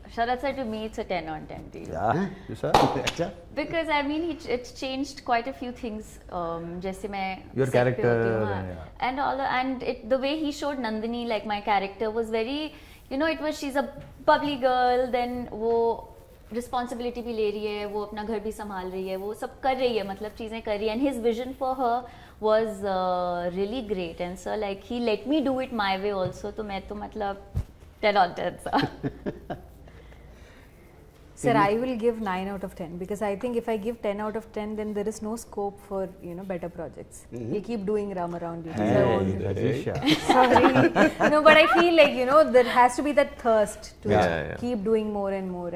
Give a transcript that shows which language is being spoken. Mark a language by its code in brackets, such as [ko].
[en] Sharat said to me it's a 10 on 10 deal. Yeah, you sir? Because I mean it's changed quite a few things, [hi] jaise main [en] your character and all, and it, the way he showed Nandini, like my character was very, you know, it was she's a bubbly girl, then wo [hi] responsibility भी ले रही है, वो अपना घर भी संभाल रही है, वो सब कर रही है, मतलब चीज़ें कर रही है, [en] and his vision for her was really great, and sir like he let me do it my way also, [hi] तो मैं तो मतलब ten on ten sir. [en] Sir, I will give 9 out of 10 because I think if I give 10 out of 10, then there is no scope for, you know, better projects. Mm-hmm. We keep doing Ramarao duties. Hey, Rajisha. Sorry. No, but I feel like, you know, there has to be that thirst to keep doing more and more.